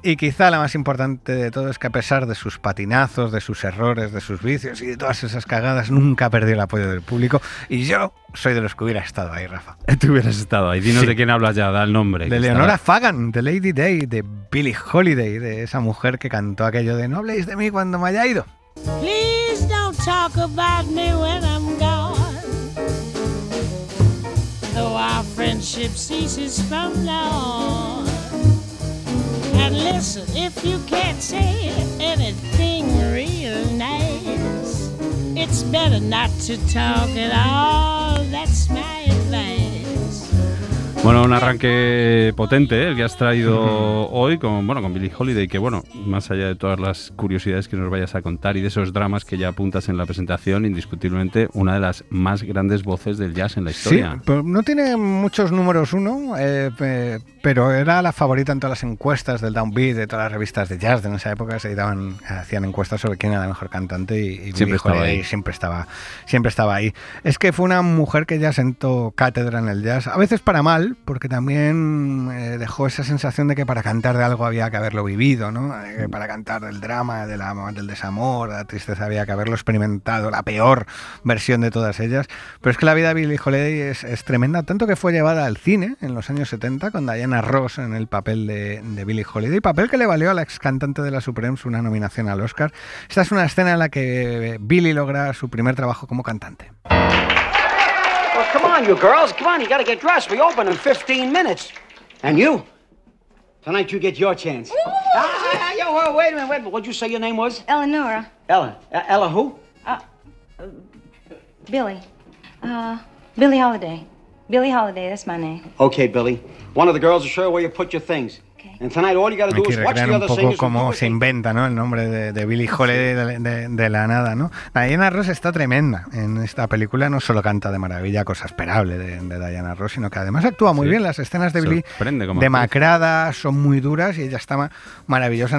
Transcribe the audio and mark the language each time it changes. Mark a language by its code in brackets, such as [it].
[es] Y quizá la más importante de todo es que, a pesar de sus patinazos, de sus errores, de sus vicios y de todas esas cagadas, nunca perdió el apoyo del público. Y yo soy de los que hubiera estado ahí, Rafa. Tú hubieras estado ahí. Dinos, sí. De quién hablas ya, da el nombre. De Leonora Fagan, de [en] Lady Day, [es] de Billie Holiday, de esa mujer que cantó aquello de "No habléis de mí cuando me haya ido". [en] Please don't talk about me when I'm gone. Though our friendship ceases from now on. And listen, if you can't say anything real nice, it's better not to talk at all. That's my advice. [es] Bueno, un arranque potente, ¿eh?, el que has traído hoy con Billie Holiday, que, bueno, más allá de todas las curiosidades que nos vayas a contar y de esos dramas que ya apuntas en la presentación, indiscutiblemente una de las más grandes voces del jazz en la historia. Sí, pero no tiene muchos números uno, pero era la favorita en todas las encuestas del Downbeat, de todas las revistas de jazz de en esa época. Se editaban, hacían encuestas sobre quién era la mejor cantante, y Billie siempre Holiday estaba ahí. Siempre estaba ahí. Es que fue una mujer que ya sentó cátedra en el jazz, a veces para mal, porque también dejó esa sensación de que para cantar de algo había que haberlo vivido, ¿no? Que para cantar del drama, del desamor, de la tristeza, había que haberlo experimentado, la peor versión de todas ellas. Pero es que la vida de Billie Holiday es tremenda, tanto que fue llevada al cine en los años 70 con Diana Ross en el papel de Billie Holiday, papel que le valió a la ex cantante de la Supremes una nominación al Oscar. Esta es una escena en la que Billie logra su primer trabajo como cantante. [en] Come on, you girls. Come on, you gotta get dressed. We open in 15 minutes. And you? Tonight you get your chance. Wait a minute. What'd you say your name was? Eleonora. Ella. Ella who? Billie. Billie Holiday. Billie Holiday, that's my name. Okay, Billie. One of the girls will show you where you put your things. [es] Hay que recrear un poco cómo se inventa, ¿no?, el nombre de Billie Holiday de la nada, ¿no? Diana Ross está tremenda en esta película. No solo canta de maravilla, cosa esperable de Diana Ross, sino que además actúa muy bien. Las escenas de Billie demacrada son muy duras y ella está maravillosa.